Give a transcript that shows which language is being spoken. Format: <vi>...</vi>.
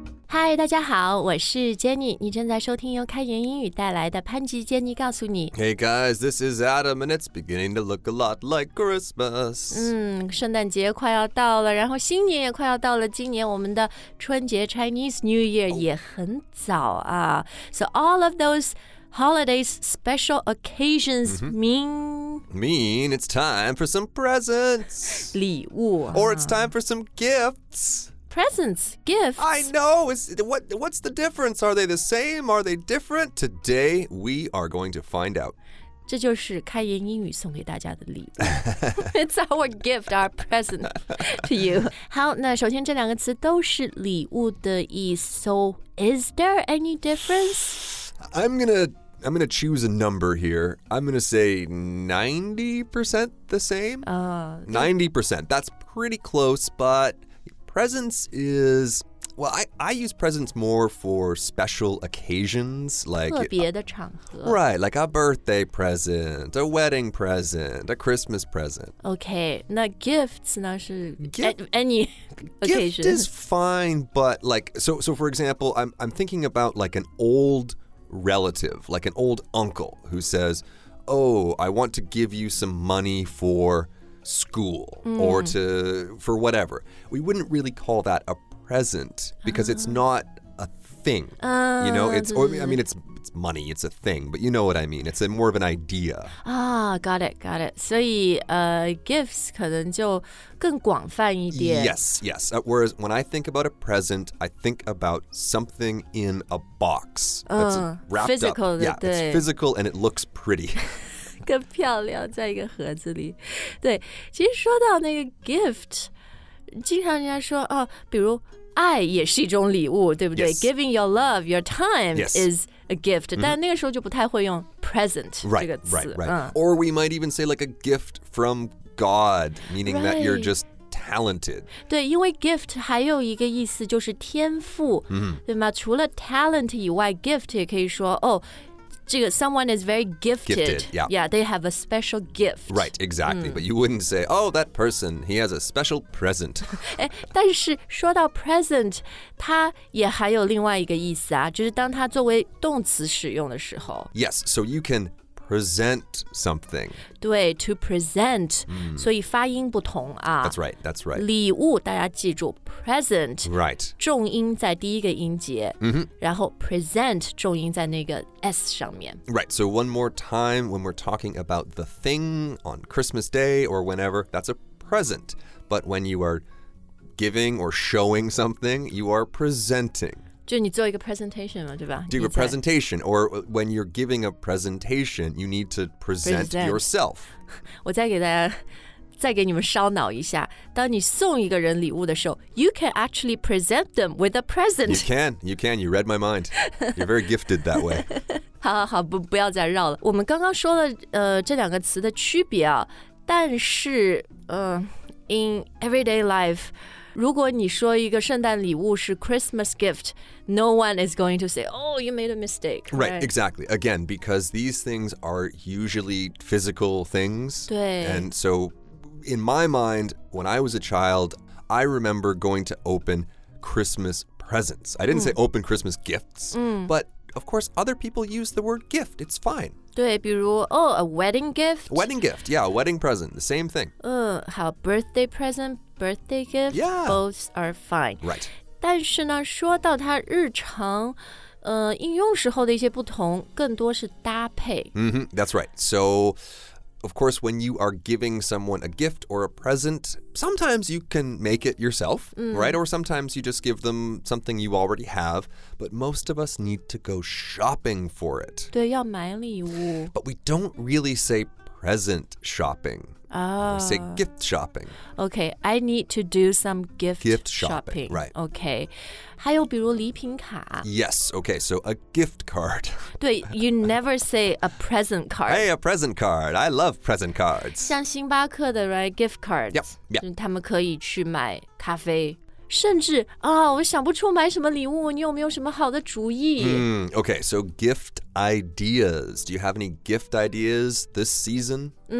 <zh>嗨，大家好，我是 Jenny， 你正在收听由开言英语带来的潘吉 Jenny 告诉你。</zh> <en>Hey guys, this is Adam and it's beginning to look a lot like Christmas.</en> <zh>圣诞节快要到了，然后新年也快要到了，今年我们的春节</zh> <en>Chinese New Year</en> <zh>也很早啊。</zh> <en>So all of those holidays, special occasions mean it's time for some presents.</en> <zh>礼物。</zh> <en>Or it's time for some gifts. Presents, gifts. I know. What's the difference? Are they the same? Are they different? Today, we are going to find out.</en> <zh>这就是开言英语送给大家的礼物。</zh> <en>It's our gift, our present to you.</en> <zh>好，那首先这两个词都是礼物的意思。</zh> <en>So, is there any difference? I'm gonna choose a number here. I'm gonna say 90% the same. 90%. That's pretty close, but... Presents is, well, I use presents more for special occasions, like...</en> <zh>特别的场合。</zh> <en>Right, like a birthday present, a wedding present, a Christmas present.</en> <zh>Okay, 那 gifts 呢是</zh> <en>any occasion. Gift is fine, but like, so for example, I'm thinking about like an old relative, like an old uncle who says, oh, I want to give you some money for... school or for whatever. We wouldn't really call that a present because it's not a thing. You know, it's money, it's a thing, but you know what I mean. It's more of an idea. Ah, got it.</en> <zh>所以gifts 可能就更广泛一点。</zh> <en>Yes. Whereas when I think about a present, I think about something in a box. That's wrapped physical, up. Yeah, it's physical and it looks pretty.</en> <zh>更漂亮在一个盒子里。对，其实说到那个 gift, 经常人家说、哦、比如爱也是一种礼物，对不对、</zh> <en>yes. Giving your love, your time、 yes. is a gift,、</en> <zh>mm-hmm. 但那个时候就不太会用 present 这个词。</zh> <en>Right.、Or we might even say like a gift from God, meaning、 right. that you're just talented.</en> <zh>对，因为 gift 还有一个意思就是天赋、 mm-hmm. 对吗？除了 talent 以外 gift 也可以说哦。这个</zh> <en>someone is very gifted. Yeah, they have a special gift. Right, exactly.、But you wouldn't say, oh, that person, he has a special present.</en> <zh>但是说到 present, 它也还有另外一个意思啊，就是当它作为动词使用的时候。</zh> <en>Yes, so you can present something.</en> <zh>对 to present,、所以发音不同啊。</zh> <en>That's right.</en> <zh>礼物大家记住 present.</zh> <en>Right.</en> <zh>重音在第一个音节。 Mm-hmm. 然后 present 重音在那个 S 上面。</zh> <en>Right, so one more time when we're talking about the thing on Christmas Day or whenever, that's a present. But when you are giving or showing something, you are presenting.</en> <zh>就你做一个 presentation 嘛，对吧？</zh> <en>Do a presentation, or when you're giving a presentation, you need to present yourself.</en> <zh>我再给大家，再给你们烧脑一下。当你送一个人礼物的时候</zh> <en>，you can actually present them with a present. You can. You read my mind. You're very gifted that way.</en> <zh>好，不要再绕了。我们刚刚说了这两个词的区别啊，但是</zh> <en>in everyday life.</en> <zh>如果你说一个圣诞礼物是</zh> <en>Christmas gift, no one is going to say, oh, you made a mistake. Right, exactly. Again, because these things are usually physical things.</en> <zh>对。</zh> <en>And so in my mind, when I was a child, I remember going to open Christmas presents. I didn't say open Christmas gifts, but of course, other people use the word gift. It's fine.</en> <zh>对，比如，a wedding gift.</zh> <en>Wedding gift, yeah, a wedding present, the same thing. 好 ，birthday present, birthday gift, yeah, both are fine. Right.</en> <zh>但是呢，说到它日常，应用时候的一些不同，更多是搭配。</zh> <en>Mm-hmm, that's right. So, of course, when you are giving someone a gift or a present, sometimes you can make it yourself, right? Or sometimes you just give them something you already have. But most of us need to go shopping for it.</en> <zh>对，要买礼物。</zh> <en>But we don't really say present shopping. We say gift shopping. Okay, I need to do some gift shopping. Right.</en> <zh>Okay. 还有比如礼品卡。</zh> <en>Yes, okay, so a gift card. 对, you never say a present card. Hey, a present card. I love present cards.</en> <zh>像星巴克的 right, gift cards.</zh> <en>Yep.</en> <zh>他们可以去买咖啡。甚至啊、哦，我想不出买什么礼物，你有没有什么好的主意？</zh> <en>Okay, so gift ideas. Do you have any gift ideas this season?</en>